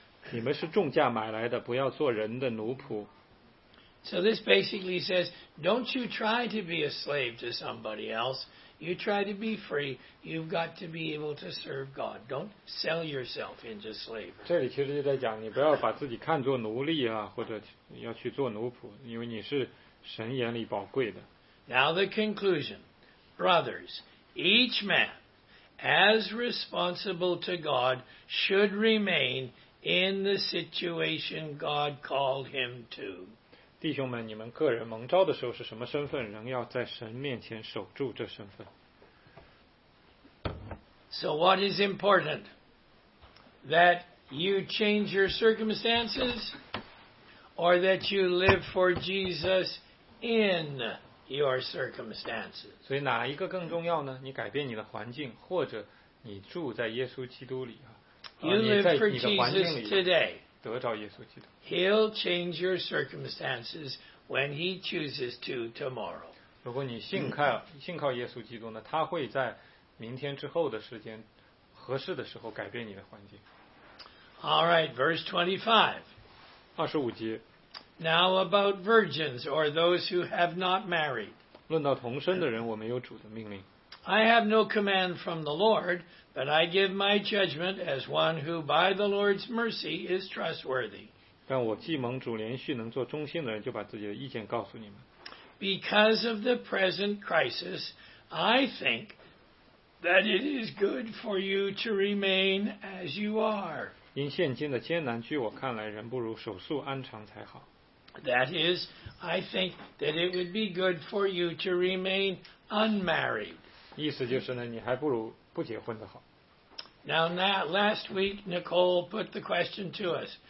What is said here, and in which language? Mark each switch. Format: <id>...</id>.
<zh>你们是重价买来的，不要做人的奴仆。</zh> <en>So this basically says, don't you try to be a slave to somebody else. You try to be free, you've got to be able to serve God. Don't sell yourself into slavery.</en> <zh>这里其实就在讲，你不要把自己看作奴隶啊，或者要去做奴仆，因为你是神眼里宝贵的。</zh> <en>Now the conclusion. Brothers, each man, as responsible to God, should remain in the situation God called him to.</en> <zh>弟兄们，你们个人蒙召的时候是什么身份？仍要在神面前守住这身份。</zh> <en>So what is important? That you change your circumstances, or that you live for Jesus in your circumstances?</en> <zh>所以哪一个更重要呢？你改变你的环境，或者你住在耶稣基督里啊？</zh> <en>You live for Jesus today. He'll change your circumstances when he chooses to tomorrow.</en> <zh>如果你信靠耶稣基督呢，他会在明天之后的时间，合适的时候改变你的环境。</zh> <en>All right, verse 25.</en> <zh>25节。</zh> <en>Now about virgins or those who have not married.</en> <zh>论到童身的人，我们有主的命令。</zh> <en>I have no command from the Lord, but I give my judgment as one who by the Lord's mercy is trustworthy.</en> <zh>但我既蒙主连续能做忠心的人，就把自己的意见告诉你们。</zh> <en>Because of the present crisis, I think that it is good for you to remain as you are.</en> <zh>因现今的艰难，据我看来，人不如守素安常才好。</zh> <en>That is, I think that it would be good for you to remain unmarried.</en> <zh>意思就是呢，你还不如不结婚的好。</zh> <en>Now, last week Nicole put the question to us.</en>